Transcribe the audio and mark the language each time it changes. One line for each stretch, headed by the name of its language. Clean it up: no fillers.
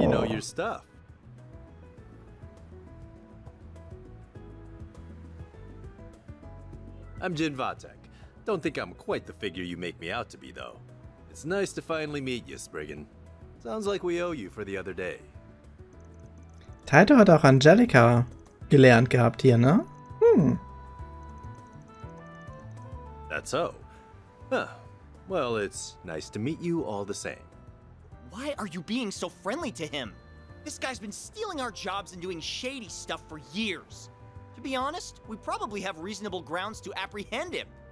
English: You know your stuff. I'm Jin Vatek. Don't think I'm quite the figure you make me out to be, though. It's nice to finally meet you, Spriggan. Sounds like we owe you for the other day.
German: Taito hat auch Angelica gelernt gehabt hier, ne? Hm.
English: That's so. Huh. Well, it's nice to meet you all the same. Why are you being so friendly to him? This guy's been stealing our jobs and doing shady stuff for years. To be honest, we probably have reasonable grounds to apprehend him.